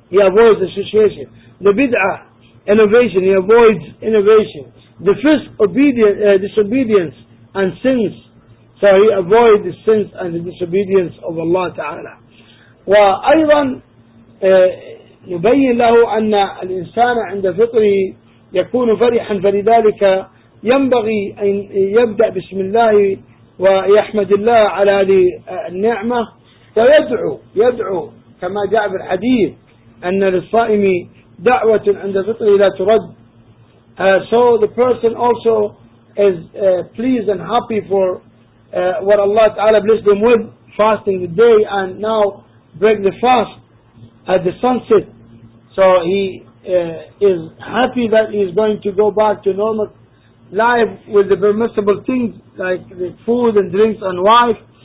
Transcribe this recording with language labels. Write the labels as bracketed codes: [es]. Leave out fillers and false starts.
[en] He avoids association, the bid'ah innovation, he avoids innovation, the fisk disobedience and sins, so he avoids the sins and the disobedience of Allah Ta'ala. [ar] وأيضا نبين له أن الإنسان عند فطره يكون فرحا، فلذلك ينبغي أن يبدأ بسم الله ويحمد الله على هذه النعمة، ويدعو كما جاء في الحديث أن للصائم دعوة عند فطره لا ترد. [en] So the person also is pleased and happy for what Allah Ta'ala blessed him with, fasting the day and now break the fast at the sunset. So he is happy that he is going to go back to normal life with the permissible things like the food and drinks and wife.